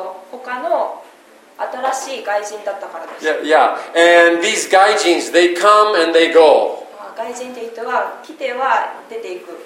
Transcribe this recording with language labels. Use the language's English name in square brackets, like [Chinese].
[Japanese] 他の新しい外人だったからです。 [English] Yeah, yeah. And these 外人 they come and they go. [Japanese] 外人って人は来ては出ていく。